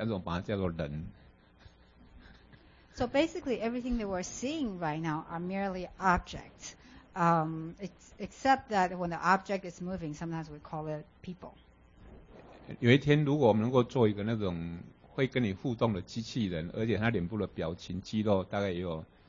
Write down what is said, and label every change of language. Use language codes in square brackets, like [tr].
[zh] 我们看到的基本上都是看到物体，那会移动的什么会动的物体，但是我们把它叫做人。So [en] basically, everything that we're seeing right now are merely objects. It's except that when the object is moving, sometimes we call it people. [zh] 有一天，如果我们能够做一个那种会跟你互动的机器人，而且它脸部的表情、肌肉大概也有。